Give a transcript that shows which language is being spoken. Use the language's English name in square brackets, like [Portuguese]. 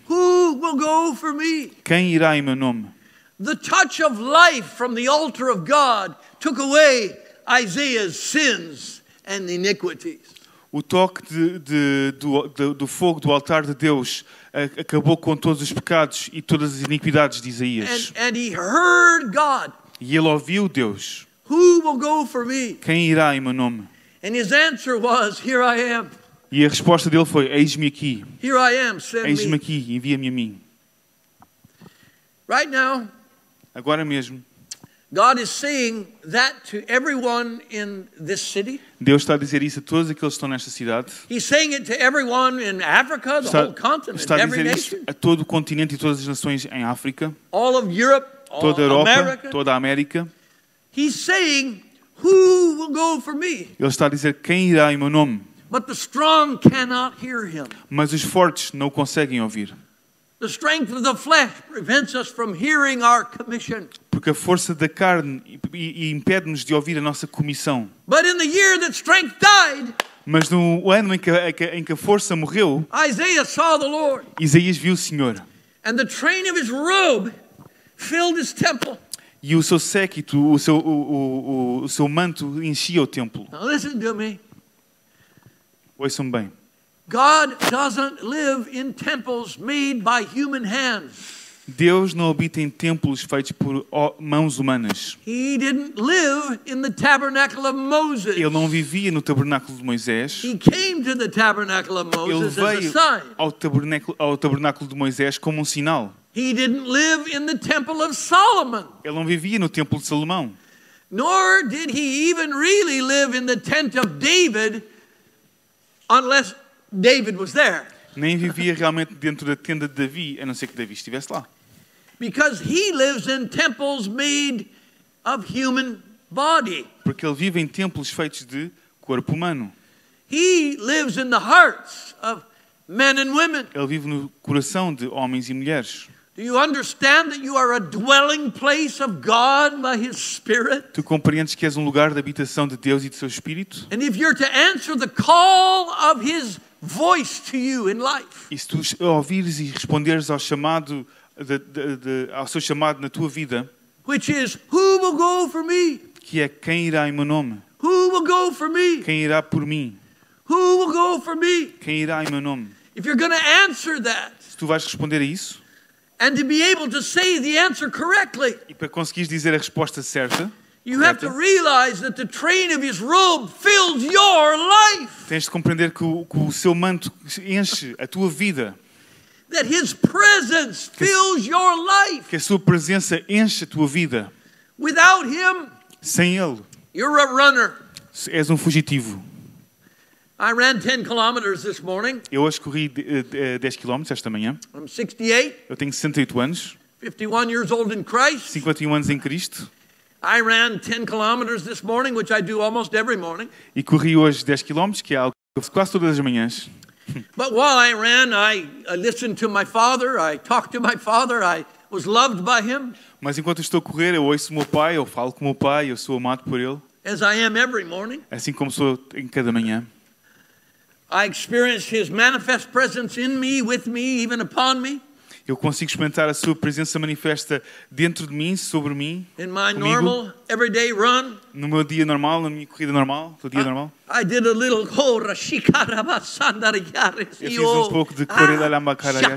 [English] Who will go for me? [Portuguese] Quem irá em meu nome? [English] The touch of life from the altar of God took away Isaiah's sins and iniquities. [Portuguese] O toque do fogo do altar de Deus acabou com todos os pecados e todas as iniquidades de Isaías. [English] And he heard God. [Portuguese] E ele ouviu Deus. [English] Who will go for me? [Portuguese] Quem irá em meu nome? [English] And his answer was, here I am. [Portuguese] E a resposta dele foi, eis-me aqui. [English] Here I am, send me. [Portuguese] Eis-me aqui, envia-me a mim. [English] Right now, [Portuguese] agora mesmo, [English] God is saying that to everyone in this city. [Portuguese] Deus está a dizer isso a todos aqueles que estão nesta cidade. [English] He's saying it to everyone in Africa, the whole continent, every nation. [Portuguese] Está a dizer isso a todo o continente e todas as nações em África. [English] All of Europe, [Portuguese] toda a Europa, [English] America. [Portuguese] Toda a América. [English] He's saying, who will go for me? [Portuguese] Ele está a dizer quem irá em meu nome. [English] But the strong cannot hear him. [Portuguese] Mas os fortes não conseguem ouvir. [English] The strength of the flesh prevents us from hearing our commission. [Portuguese] Porque a força da carne impede-nos de ouvir a nossa comissão. [English] But in the year that strength died, [Portuguese] mas no ano em que a força morreu, [English] Isaiah saw the Lord. [Portuguese] Isaías viu o Senhor. [English] And the train of his robe filled his temple. [Portuguese] E o seu séquito, o seu manto enchia o templo. [English] Now listen to me. [Portuguese] Ouçam bem. [English] God doesn't live in temples made by human hands. [Portuguese] Deus não habita em templos feitos por mãos humanas. [English] He didn't live in the tabernacle of Moses. [Portuguese] Ele não vivia no tabernáculo de Moisés. [English] He came to the tabernacle of Moses [Portuguese] Ele veio [English] as a sign. [Portuguese] ao tabernáculo de Moisés como um sinal. [English] He didn't live in the temple of Solomon. [Portuguese] Ele não vivia no templo de Salomão. [English] Nor did he even really live in the tent of David, unless David was there. [Portuguese] Nem vivia realmente dentro da tenda de Davi, a não ser que Davi estivesse lá. [English] Because he lives in temples made of human body. [Portuguese] Porque ele vive em templos feitos de corpo humano. [English] He lives in the hearts of men and women. [Portuguese] Ele vive no coração de homens e mulheres. [English] Do you understand that you are a dwelling place of God by His Spirit? [Portuguese] Tu compreendes que és lugar de habitação de Deus e do Seu Espírito? [English] And if you're to answer the call of His voice to you in life, [Portuguese] e se tu ouvires e responderes ao chamado ao seu chamado na tua vida, [English] which is who will go for me? [Portuguese] Que é quem irá em meu nome? [English] Who will go for me? [Portuguese] Quem irá por mim? [English] Who will go for me? [Portuguese] Quem irá em meu nome? [English] If you're going to answer that, [Portuguese] se tu vais responder a isso, [English] and to be able to say the answer correctly, [Portuguese] e para conseguires dizer a resposta certa, [English] you have to realize that the train of his robe fills your life. [Portuguese] Tens de compreender que o seu manto enche a tua vida. [English] That his presence fills your life. [Portuguese] Que a sua presença enche a tua vida. [English] Without him, [Portuguese] sem ele, [English] you're a runner. [Portuguese] És fugitivo. [English] I ran 10 kilometers this morning. [Portuguese] Eu hoje corri 10 quilómetros esta manhã. [English] I'm 68. [Portuguese] Eu tenho 68 anos. [English] 51 years old in Christ. [Portuguese] 51 anos em Cristo. [English] I ran 10 kilometers this morning, which I do almost every morning. [Portuguese] E corri hoje 10 quilómetros, que é algo que eu faço quase todas as manhãs. [English] But while I ran, I listened to my father, I talked to my father, I was loved by him. [Portuguese] Mas enquanto estou a correr, eu ouço o meu pai, eu falo com o meu pai, eu sou amado por ele. [English] As I am every morning. [Portuguese] Assim como sou em cada manhã. [English] I experience his manifest presence in me, with me, even upon me. [Portuguese] Eu consigo experimentar a sua presença manifesta dentro de mim, sobre mim. [English] In my [Portuguese] comigo. [English] Normal everyday run. [Portuguese] No meu dia normal, na minha corrida normal, no dia normal. [English] I did a little corra shikarabasandariyare. [Portuguese] Eu fiz pouco de corrida lambakaraya